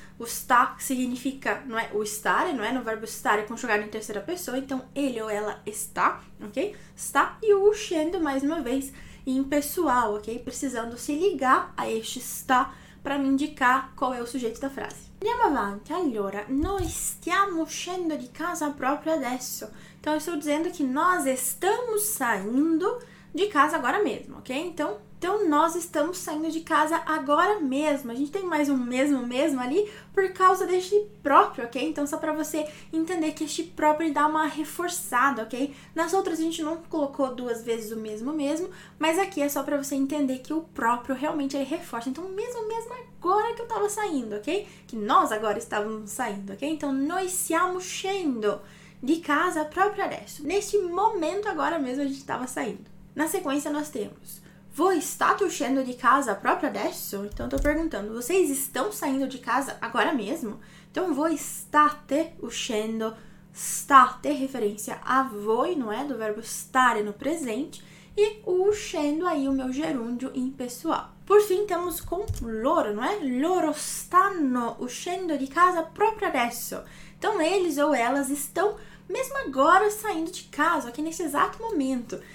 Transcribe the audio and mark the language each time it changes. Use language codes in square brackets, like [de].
[pt] O está significa, não é? O estar, não é? No verbo estar é conjugado em terceira pessoa. Então, ele ou ela está, ok? Está. E o uscendo, mais uma vez, impessoal, ok? Precisando se ligar a este está para me indicar qual é o sujeito da frase. [it] Andiamo avanti. Allora, noi stiamo uscendo di casa proprio adesso. [pt] Então, eu estou dizendo que nós estamos saindo de casa agora mesmo, ok? Então, nós estamos saindo de casa agora mesmo. A gente tem mais um mesmo ali por causa deste próprio, ok? Então, só para você entender que este próprio dá uma reforçada, ok? Nas outras, a gente não colocou duas vezes o mesmo, mas aqui é só para você entender que o próprio realmente ele reforça. Então, mesmo agora que eu estava saindo, ok? Que nós agora estávamos saindo, ok? [it] Então, noi siamo uscendo de casa proprio adesso. [pt] Neste momento agora mesmo a gente estava saindo. Na sequência nós temos: [it] voi state uscendo di casa proprio adesso? [pt] Então eu tô perguntando: vocês estão saindo de casa agora mesmo? Então [it] voi state uscendo, [pt] state referência a voi, não é? Do verbo stare no presente e uscendo aí o meu gerúndio impessoal. Por fim, temos com loro, não é? [it] Loro stanno uscendo di casa proprio adesso. [pt] Então eles ou elas estão mesmo agora saindo de casa, aqui nesse exato momento.